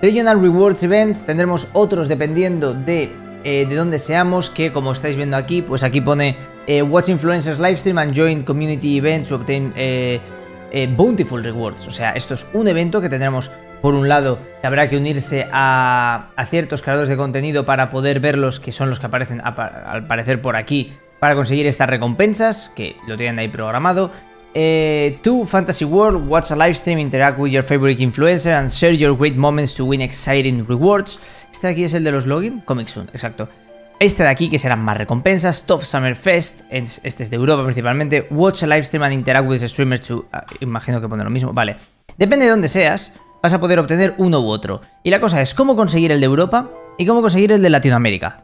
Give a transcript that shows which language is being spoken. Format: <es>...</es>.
<es>Regional Rewards Event, tendremos otros dependiendo de dónde seamos, que como estáis viendo aquí, pues aquí pone</es> <en>Watch Influencers Livestream and Join Community Event to obtain Bountiful Rewards.</en> <es>O sea, esto es un evento que tendremos, por un lado, que habrá que unirse a ciertos creadores de contenido para poder verlos, que son los que aparecen al parecer por aquí, para conseguir estas recompensas, que lo tienen ahí programado.</es> <en>Two Fantasy World, watch a live stream, interact with your favorite influencer and share your great moments to win exciting rewards.</en> <es>Este de aquí es el de los login, Comic Soon, exacto. Este de aquí, que serán más recompensas, Tough Summer Fest, este es de Europa principalmente,</es> <en>watch a live stream and interact with streamers to...</en> <es>imagino que pone lo mismo, vale. Depende de dónde seas, vas a poder obtener uno u otro. Y la cosa es, ¿cómo conseguir el de Europa y cómo conseguir el de Latinoamérica?</es>